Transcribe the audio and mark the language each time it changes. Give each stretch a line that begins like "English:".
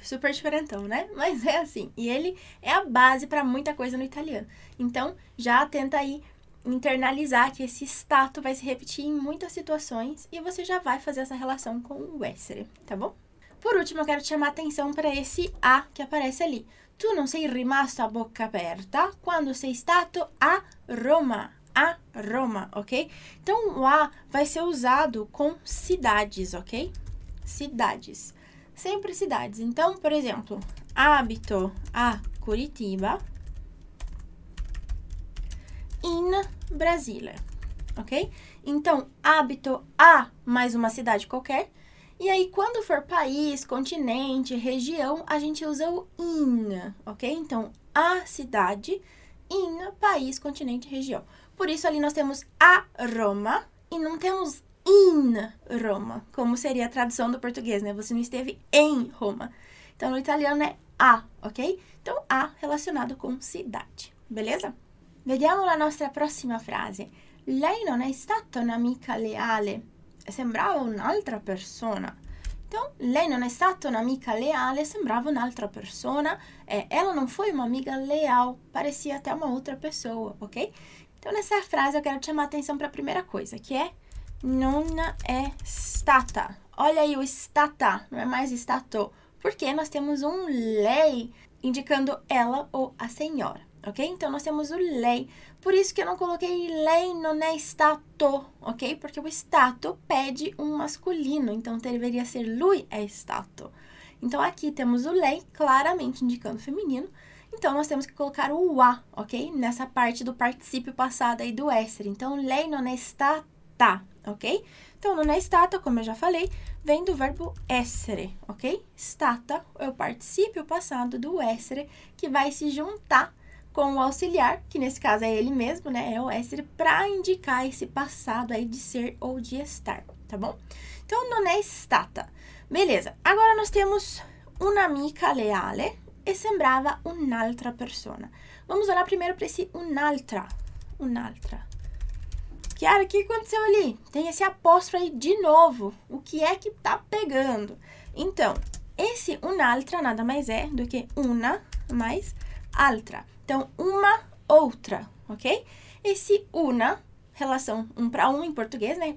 Portuguese: Super diferentão, né? Mas é assim. E ele é a base para muita coisa no italiano. Então, já tenta aí internalizar que esse stato vai se repetir em muitas situações e você já vai fazer essa relação com o essere, tá bom? Por último, eu quero chamar a atenção para esse a que aparece ali.
Italian: Tu non sei rimasto a bocca aperta quando sei stato a Roma. A Roma, ok?
Portuguese: Então o a vai ser usado com cidades, ok? Cidades. Sempre cidades. Então, por exemplo,
Italian: abito a Curitiba in Brasile,
Portuguese: ok? Então,
Italian: abito a
Portuguese: mais uma cidade qualquer. E aí, quando for país, continente, região, a gente usa o in, ok? Então, a cidade in país, continente, região. Por isso, ali nós temos
Italian: a Roma
Portuguese: e não temos
Italian: in Roma,
Portuguese: como seria a tradução do português, né? Você não esteve em Roma. Então, no italiano é a, ok? Então, a relacionado com cidade, beleza?
Italian: Vediamo la nostra prossima frase. Lei non è stata un'amica leale. Sembrava un'altra persona. Então, lei non è stata un'amica leale. Sembrava un'altra persona.
Portuguese: Ela
Italian: non
Portuguese: foi
Italian: un'amica leale.
Portuguese: Parecia até uma outra pessoa, ok? Então, nessa frase, eu quero chamar a atenção para a primeira coisa, que é non è stata. Olha aí o stata, não é mais stato. Porque nós temos um lei indicando ela ou a senhora. Ok? Então, nós temos o lei. Por isso que eu não coloquei
Italian: lei non è stato,
Portuguese: ok? Porque o stato pede um masculino. Então, deveria ser
Italian: lui è stato.
Portuguese: Então, aqui temos o lei claramente indicando feminino. Então, nós temos que colocar o a, ok? Nessa parte do participio passado aí do essere. Então,
Italian: lei non è stata,
Portuguese: ok? Então,
Italian: non è stata,
Portuguese: como eu já falei, vem do verbo essere, ok? Stata é o participio passado do essere que vai se juntar com o auxiliar, que nesse caso é ele mesmo, né? É o essere, para indicar esse passado aí de ser ou de estar, tá bom? Então,
Italian: non è stata.
Portuguese: Beleza, agora nós temos
Italian: un'amica leale
Portuguese: e
Italian: sembrava un'altra persona.
Portuguese: Vamos olhar primeiro para esse
Italian: un'altra. Un'altra.
Portuguese: Chiara, o que aconteceu ali? Tem esse apóstrofo aí de novo. O que é que tá pegando? Então, esse un'altra nada mais é do que una mais altra. Então, uma outra, ok? Esse una, relação um para um em português, né?